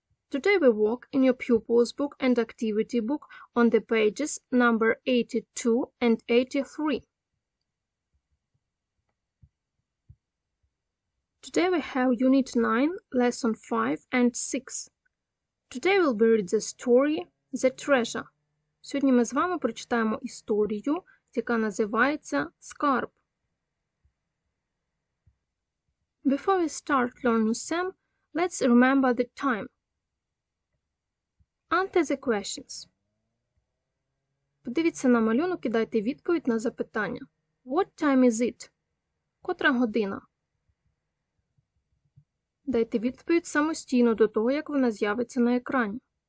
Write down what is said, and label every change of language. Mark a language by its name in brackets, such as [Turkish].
[English] Today we work in your pupil's book and activity book on the pages number 82 and 83. Today we have unit 9, lesson 5 and 6. Today we'll be reading the story, The Treasure. [Ukrainian] Сьогодні ми з вами прочитаємо історію, яка називається «Скарб». [English] Before we start learning Sam, let's remember the time. Answer the questions. [Ukrainian] Подивіться на малюнок і дайте відповідь на запитання. [English] What time is it? [Ukrainian] Котра година? Дайте відповідь самостійно до того, як вона з'явиться на екрані.